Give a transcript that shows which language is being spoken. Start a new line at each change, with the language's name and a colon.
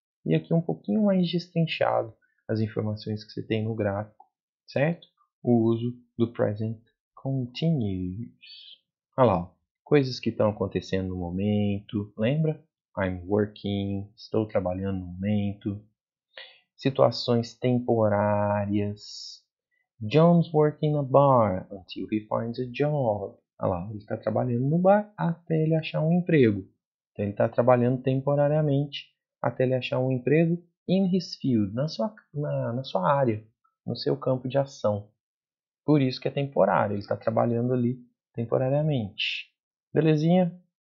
Portuguese: E aqui um pouquinho mais destrinchado as informações que você tem no gráfico, certo? O uso do present continuous. Olha lá, ó. Coisas que estão acontecendo no momento, lembra?
English: I'm working,
Portuguese: estou trabalhando no momento. Situações temporárias.
English: John's working a bar until he finds a job.
Portuguese: Olha lá, ele está trabalhando no bar até ele achar um emprego. Então, ele está trabalhando temporariamente até ele achar um emprego
English: in his field,
Portuguese: na sua área, no seu campo de ação. Por isso que é temporário, ele está trabalhando ali temporariamente. Belezinha?